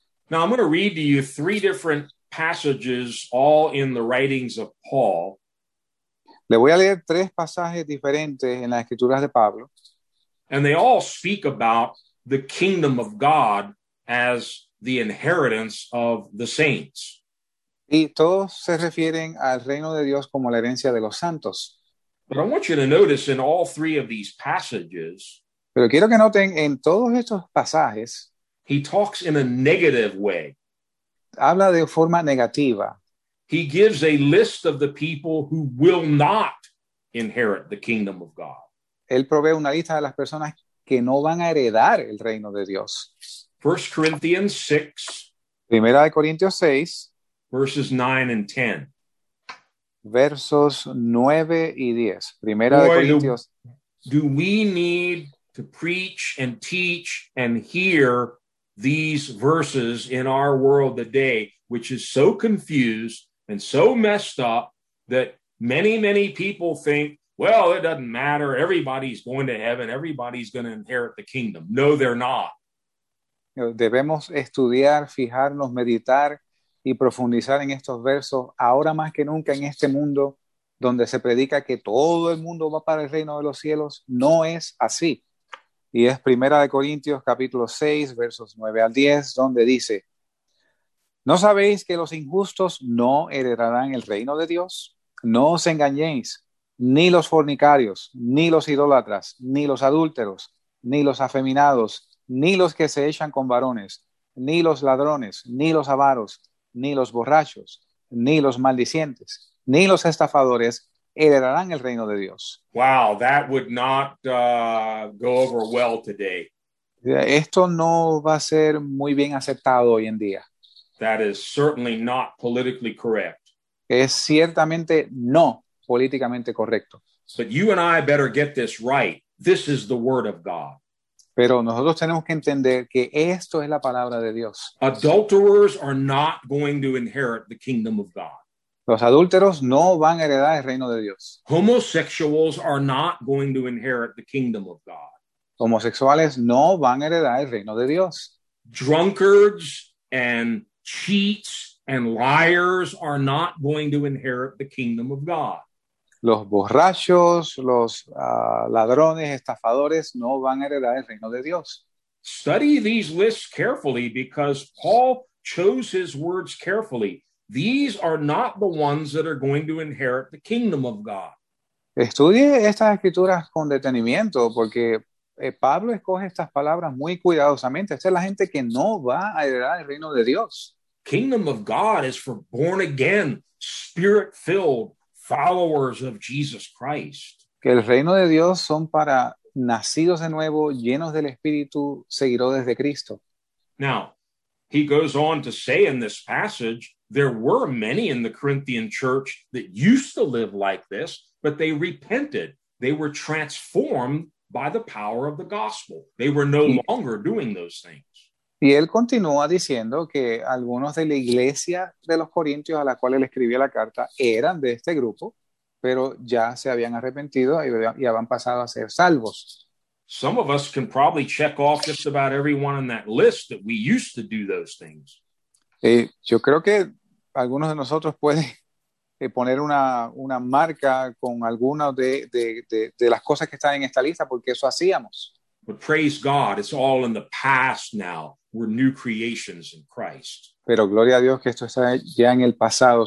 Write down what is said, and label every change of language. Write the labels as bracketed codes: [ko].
[en] Now I'm going to read to you three different passages all in the writings of Paul. [es] Le voy a leer tres pasajes diferentes en las escrituras de Pablo. [en] And they all speak about the kingdom of God as the inheritance of the saints. [es] Y todos se refieren al reino de Dios como la herencia de los santos. [en] But I want you to notice in all three of these passages, [es] pero quiero que noten en todos estos pasajes, [en] he talks in a negative way. [es] Habla de forma negativa. [en] He gives a list of the people who will not inherit the kingdom of God. [es] Él provee una lista de las personas que no van a heredar el reino de Dios. [en] 1 Corinthians 6, [es] Primera de Corintios 6, [en] verses 9 and 10. [es] Versos 9 y 10. Primera de Corintios. [en] Do we need to preach and teach and hear these verses in our world today, which is so confused and so messed up that many, many people think, well, it doesn't matter. Everybody's going to heaven. Everybody's going to inherit the kingdom. No, they're not. [es] Debemos estudiar, fijarnos, meditar y profundizar en estos versos ahora más que nunca en este mundo donde se predica que todo el mundo va para el reino de los cielos. No es así. Y es Primera de Corintios capítulo 6 versos 9 al 10 donde dice: ¿No sabéis que los injustos no heredarán el reino de Dios? No os engañéis, ni los fornicarios, ni los idólatras, ni los adúlteros, ni los afeminados, ni los que se echan con varones, ni los ladrones, ni los avaros, ni los borrachos, ni los maldicientes, ni los estafadores heredarán el reino de Dios. [en] Wow, that would not go over well today. [es] Esto no va a ser muy bien aceptado hoy en día. [en] That is certainly not politically correct. [es] Es ciertamente no políticamente correcto. [en] But you and I better get this right. This is the word of God. [es] Pero nosotros tenemos que entender que esto es la palabra de Dios. [en] Adulterers are not going to inherit the kingdom of God. [es] Los adúlteros no van a heredar el reino de Dios. [en] Homosexuals are not going to inherit the kingdom of God. [es] Homosexuales no van a heredar el reino de Dios. [en] Drunkards and cheats and liars are not going to inherit the kingdom of God. [es] Los borrachos, los ladrones, estafadores no van a heredar el reino de Dios. [en] Study these lists carefully because Paul chose his words carefully. These are not the ones that are going to inherit the kingdom of God. [es] Estudie estas escrituras con detenimiento porque Pablo escoge estas palabras muy cuidadosamente. Esta es la gente que no va a heredar el reino de Dios. [en] Kingdom of God is for born again, spirit-filled followers of Jesus Christ. [es] Que el reino de Dios son para nacidos de nuevo, llenos del Espíritu, seguidores de Cristo. [en] Now, he goes on to say in this passage, there were many in the Corinthian church that used to live like this, but they repented. They were transformed by the power of the gospel. They were no longer doing those things. [es] Y él continúa diciendo que algunos de la iglesia de los corintios a la cual él escribió la carta eran de este grupo, pero ya se habían arrepentido y habían pasado a ser salvos. [en] Some of us can probably check off just about everyone on that list that we used to do those things. [es] Yo creo que algunos de nosotros pueden poner una marca con algunas de las cosas que están en esta lista porque eso hacíamos. [en] But praise God, it's all in the past now. We're new creations in Christ. [es] Pero gloria a Dios que esto está ya en el pasado.